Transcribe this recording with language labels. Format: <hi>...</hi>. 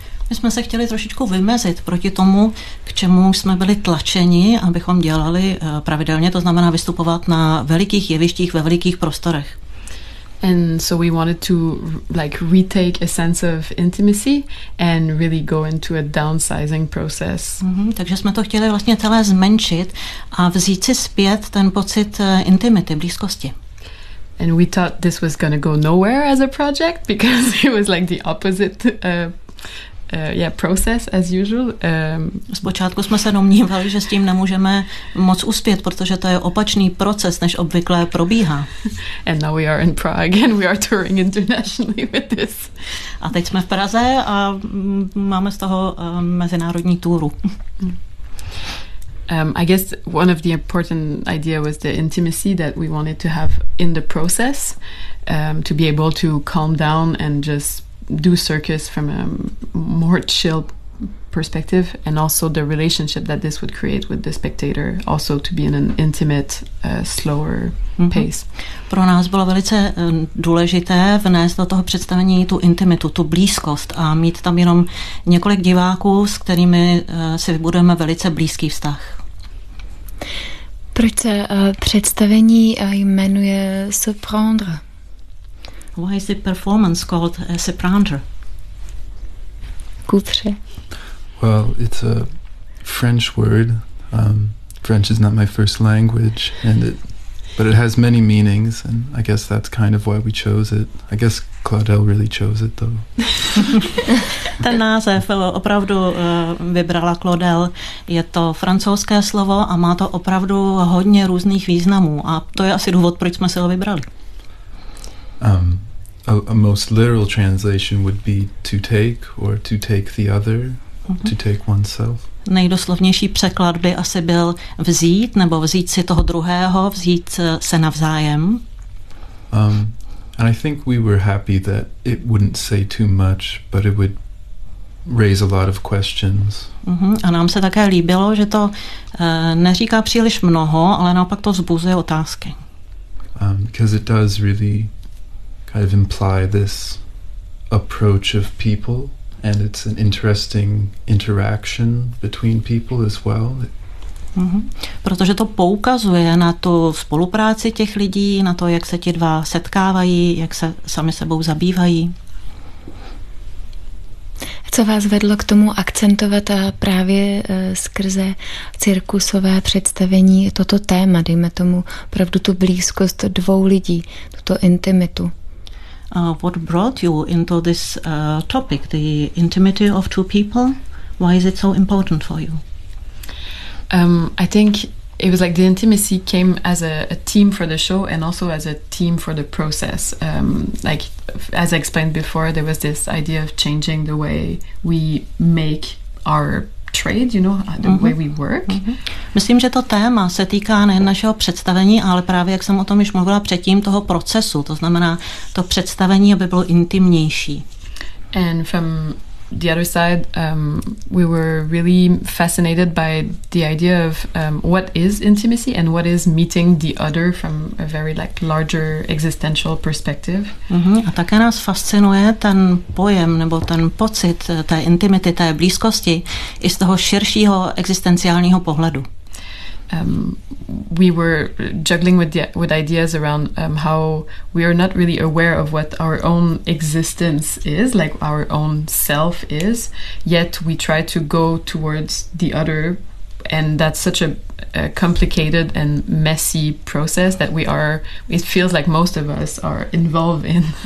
<cs>My jsme se chtěli trošičku vymezit proti tomu, k čemu jsme byli tlačeni, abychom dělali pravidelně, to znamená vystupovat na velikých jevištích ve velikých prostorech.</cs> <en>And so we wanted to like retake a sense of intimacy and really go into a downsizing process.</en> <cs>Takže jsme to chtěli vlastně celé zmenšit a vzít si zpět ten pocit intimity, blízkosti.</cs> <en>And we thought this was going to go nowhere as a project because it was like the opposite process as usual.</en> <cs>Zpočátku jsme se domnívali, že s tím nemůžeme moc uspět, protože to je opačný proces, než obvykle probíhá.</cs> <en>And now we are in Prague and we are touring internationally with this.</en> <cs>A teď jsme v Praze a máme z toho mezinárodní túru.</cs> <en>I guess one of the important idea was the intimacy that we wanted to have in the process, to be able to calm down and just do circus from a more chill perspective, and also the relationship that this would create with the spectator, also to be in an intimate, slower pace.</en> <cs>Pro nás bylo velice důležité vnést do toho představení tu intimitu, tu blízkost a mít tam jenom několik diváků, s kterými si vybudujeme velice blízký vztah. Proč se představení jmenuje Se Prendre?</cs> <en>Why is the performance called Se Prendre? Coupre. Well, it's a French word. French is not my first language, and it has many meanings, and I guess that's kind of why we chose it. I guess Claudel really chose it, though.</en> <cs>Ten název opravdu vybrala Claudel. Je to francouzské slovo a má to opravdu hodně různých významů, a to je asi důvod, proč jsme se ho vybrali.</cs> <en>A most literal translation would be to take, or to take the other. To take oneself.</en> <cs>Nejdoslovnější překlad by asi byl vzít, nebo vzít si toho druhého, vzít se navzájem.</cs> <en>And I think we were happy that it wouldn't say too much, but it would raise a lot of questions.</en> <cs>A nám se také líbilo, že to neříká příliš mnoho, ale naopak to vzbuzuje otázky.</cs> <en>Because it does really kind of imply this approach of people. And it's an interesting interaction between people as well.</en> <cs>Protože to poukazuje na tu spolupráci těch lidí, na to, jak se ti dva setkávají, jak se sami sebou zabývají. Co vás vedlo k tomu akcentovat právě skrze cirkusové představení toto téma, dejme tomu opravdu tu blízkost dvou lidí, tuto intimitu?</cs> <en>What brought you into this topic, the intimacy of two people? Why is it so important for you? I think it was like the intimacy came as a theme for the show and also as a theme for the process. Like, as I explained before, there was this idea of changing the way we make our trade, you know, the way we work.</en> <cs>Myslím, že to téma se týká nejen našeho představení, ale právě, jak jsem o tom již mluvila předtím, toho procesu, to znamená to představení, aby bylo intimnější.</cs> <en>And from the other side, we were really fascinated by the idea of what is intimacy and what is meeting the other from a very like larger existential perspective.</en> <cs>A také nás fascinuje ten pojem nebo ten pocit té intimity, té blízkosti i z toho širšího existenciálního pohledu.</cs> <en>We were juggling with ideas around how we are not really aware of what our own existence is, like our own self is, yet we try to go towards the other, and that's such a complicated and messy process that we are, it feels like most of us are involved in.</en>